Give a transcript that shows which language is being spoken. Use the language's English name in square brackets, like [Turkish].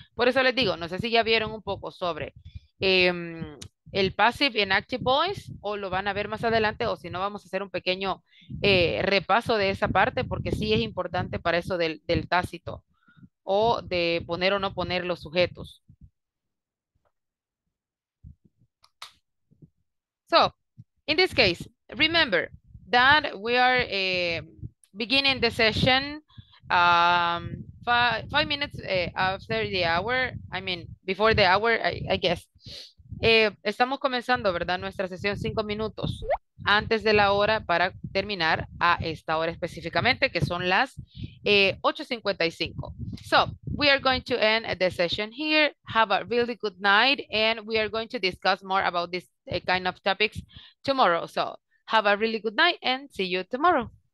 [Spanish] Por eso les digo, no sé si ya vieron un poco sobre el passive and active voice, o lo van a ver más adelante, o si no vamos a hacer un pequeño repaso de esa parte, porque sí es importante para eso del tácito, o de poner o no poner los sujetos. [English] So, in this case, remember that we are beginning the session five minutes after the hour, I mean, before the hour, I guess. [Spanish] Estamos comenzando, ¿verdad? Nuestra sesión 5 minutos antes de la hora para terminar a esta hora específicamente, que son las 8:55. So, [English] we are going to end the session here. Have a really good night, and we are going to discuss more about this kind of topics tomorrow. So have a really good night and see you tomorrow.